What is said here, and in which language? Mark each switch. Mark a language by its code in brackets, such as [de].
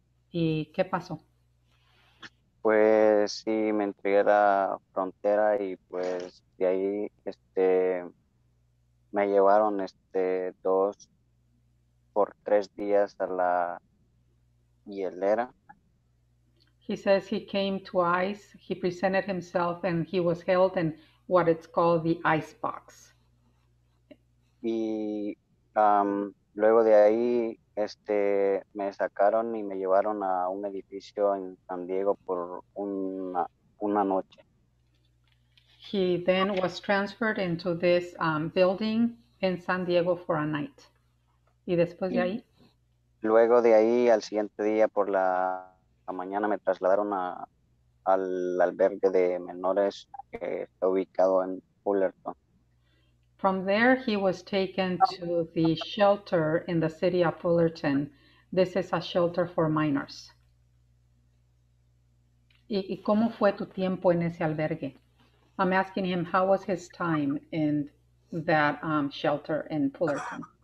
[es] ¿Y qué pasó? Pues sí, me entregué a la frontera y pues de ahí me llevaron 2 por 3 días a la hielera. [en] He says he came to ICE, he presented himself, and he was held in what it's called the ICE box. [es] Y luego de ahí me sacaron y me llevaron a un edificio en San Diego por una noche. [en] He then was transferred into this building in San Diego for a night. [es] Y después de Y ahí. luego de ahí, al siguiente día por la mañana, me trasladaron al albergue de menores que está ubicado en Fullerton. [en] From there, he was taken to the shelter in the city of Fullerton. This is a shelter for minors. [es] ¿Y cómo fue tu tiempo en ese albergue? [en] I'm asking him, how was his time in that shelter in Fullerton?